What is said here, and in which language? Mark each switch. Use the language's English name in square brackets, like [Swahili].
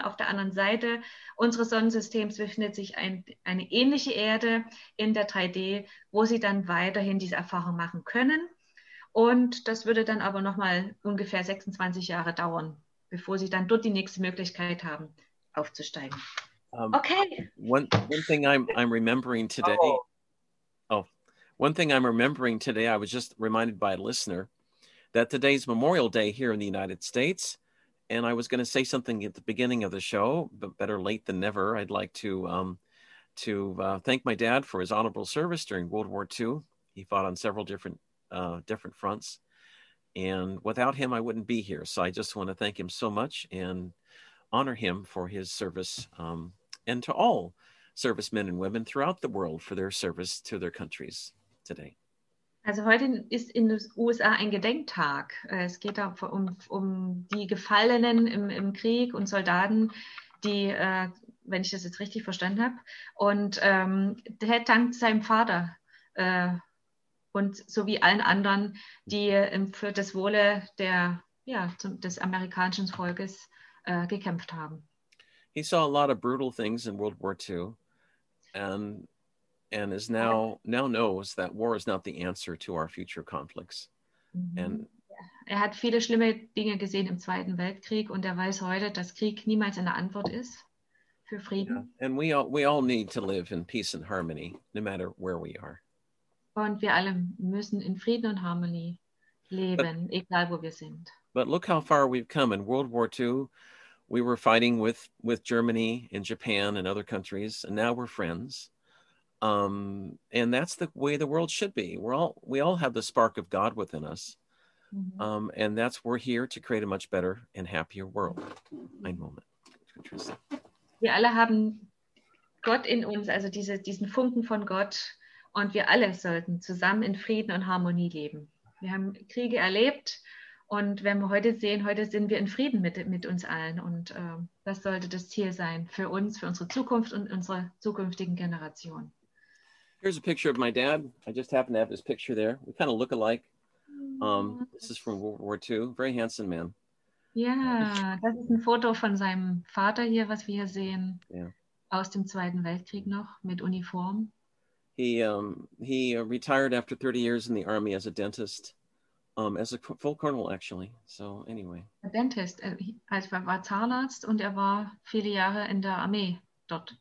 [German] Auf der anderen Seite unseres Sonnensystems befindet sich eine ähnliche Erde in der 3D, wo sie dann weiterhin diese Erfahrung machen können. Und das würde dann aber nochmal ungefähr 26 Jahre dauern, bevor sie dann dort die nächste Möglichkeit haben, aufzusteigen. Okay. [English] One thing I'm remembering today. Oh, One thing I'm remembering today, I was just reminded by a listener that today's Memorial Day here in the United States. And I was going to say something at the beginning of the show, but better late than never. I'd like to thank my dad for his honorable service during World War II. He fought on several different fronts. And without him, I wouldn't be here. So I just want to thank him so much and honor him for his service, and to all servicemen and women throughout the world for their service to their countries today. [German] Also heute ist in den USA ein Gedenktag. Es geht da um die Gefallenen im Krieg und Soldaten, die, wenn ich das jetzt richtig verstanden habe, und der dankt seinem Vater und sowie allen anderen, die für das Wohle des amerikanischen Volkes gekämpft haben. [English] He saw a lot of brutal things in World War II and is now knows that war is not the answer to our future conflicts. [German] Mm-hmm. And er hat viele schlimme Dinge gesehen im Zweiten Weltkrieg und er weiß heute, dass Krieg niemals eine Antwort ist für Frieden. [English] Yeah. And we all need to live in peace and harmony no matter where we are. [German] Und wir alle müssen in Frieden und Harmonie leben, egal wo wir sind. [English] But look how far we've come. In World War II, we were fighting with Germany and Japan and other countries, and now we're friends. And that's the way the world should be. We all have the spark of God within us. Mm-hmm. And that's, we're here to create a much better and happier world. [German] Ein Moment. Wir alle haben Gott in uns, also diesen Funken von Gott, und wir alle sollten zusammen in Frieden und Harmonie leben. Wir haben Kriege erlebt. Und wenn wir heute sehen, heute sind wir in Frieden mit uns allen. Und das sollte das Ziel sein für uns, für unsere Zukunft und unsere zukünftigen Generationen. [English] Here's a picture of my dad. I just happen to have his picture there. We kind of look alike. This is from World War II. Very handsome man. [German] Yeah, das ist ein Foto von seinem Vater hier, was wir hier sehen. Yeah. Aus dem Zweiten Weltkrieg noch, mit Uniform. [English] He retired after 30 years in the Army as a dentist. As a full colonel, actually. So anyway. A dentist. [German] Also er war Zahnarzt und er war viele Jahre in der Armee dort.